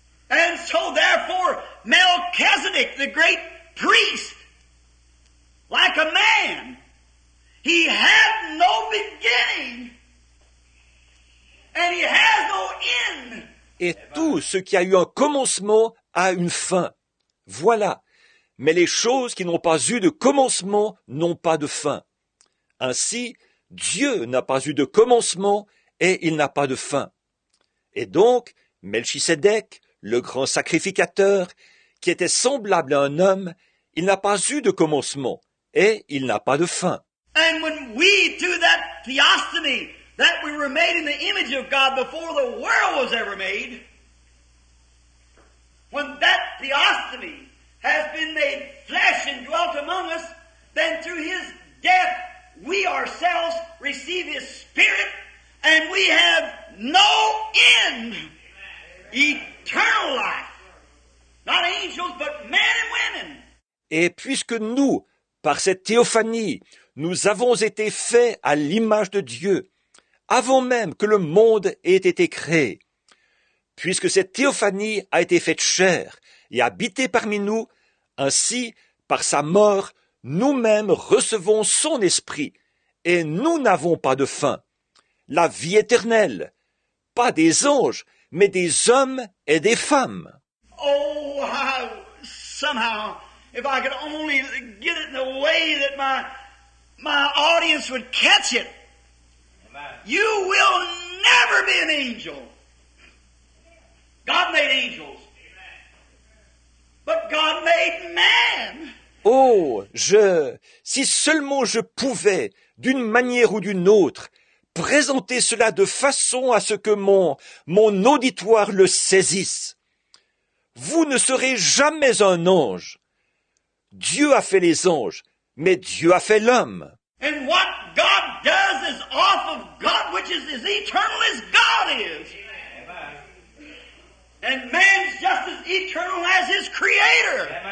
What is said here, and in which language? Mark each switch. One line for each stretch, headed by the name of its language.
English: And so therefore Melchizedek, the great priest, like a man, he had no beginning, and he has no end.
French: Et tout ce qui a eu un commencement a une fin. Voilà. Mais les choses qui n'ont pas eu de commencement n'ont pas de fin. Ainsi, Dieu n'a pas eu de commencement et il n'a pas de fin. Et donc, Melchisédek, le grand sacrificateur, qui était semblable à un homme, il n'a pas eu de commencement et il n'a pas de fin.
English: And when we do that theostomy, that we were made in the image of God before the world was ever made, when that theostomy has been made flesh and dwelt among us, then through his death we ourselves receive his spirit and we have no end. Eternal life. Not angels, but men and women.
French: Et puisque nous, par cette théophanie, nous avons été faits à l'image de Dieu, avant même que le monde ait été créé. Puisque cette théophanie a été faite chair et habitée parmi nous, ainsi, par sa mort, nous-mêmes recevons son esprit, et nous n'avons pas de fin. La vie éternelle, pas des anges, mais des hommes et des femmes.
English: Oh, somehow, if I could only get it in a way that my audience would catch it. You will never be an angel. God made angels. But God made man.
French: Oh, si seulement je pouvais, d'une manière ou d'une autre, présenter cela de façon à ce que mon auditoire le saisisse. Vous ne serez jamais un ange. Dieu a fait les anges, mais Dieu a fait l'homme.
English: And what God does is off of God, which is as eternal as God is. And man's just as eternal as his creator.